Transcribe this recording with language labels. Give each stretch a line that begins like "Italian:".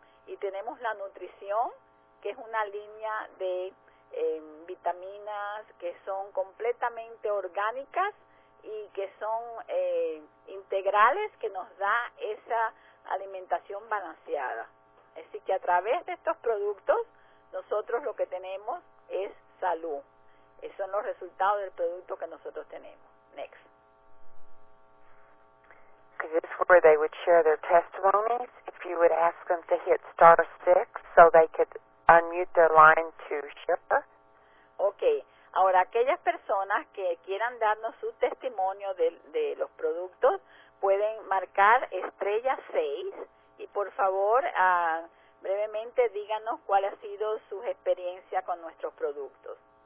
Spanish: Y tenemos la nutrición, que es una línea de vitaminas que son completamente orgánicas y que son integrales, que nos da esa alimentación balanceada. Así que a través de estos productos, nosotros lo que tenemos es salud. Esos son los resultados del producto que nosotros tenemos.
English: Next. This is where they would share their testimonies. If you would ask them to hit *6 so they could unmute their line to share. Okay.
Spanish: Ahora, aquellas personas que quieran darnos su testimonio de los productos pueden marcar *6 y por favor brevemente díganos cuál ha sido su experiencia con nuestros productos.